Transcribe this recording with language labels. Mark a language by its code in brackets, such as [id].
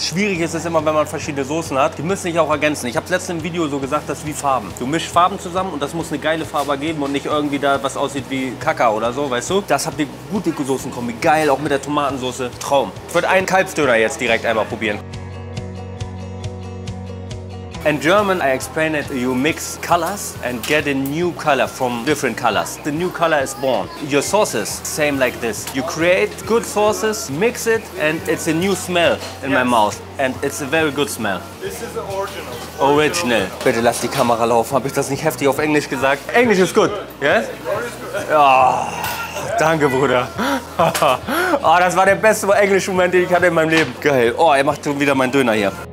[de] Schwierig ist es immer, wenn man verschiedene Soßen hat. Die müssen sich auch ergänzen. Ich habe letztens im Video so gesagt, das ist wie Farben. Du mischst Farben zusammen und das muss eine geile Farbe geben und nicht irgendwie da was aussieht wie Kaka oder so, weißt du? Das habt ihr gut, die Soßenkombi. Geil, auch mit der Tomatensauce. Traum. Ich würde einen Kalbsdöner jetzt direkt einmal probieren. [en] In German, I explain it, you mix colors and get a new color from different colors. The new color is born. Your sauces, same like this. You create good sauces, mix it, and it's a new smell in my mouth. And it's a very good smell. This is the original. Original. [de] Bitte lass die Kamera laufen. Hab ich das nicht heftig auf Englisch gesagt? Englisch ist gut. Yes? Oh, danke, Bruder. Oh, das war der beste englische Moment, den ich hatte in meinem Leben. Geil. Oh, er macht schon wieder meinen Döner hier.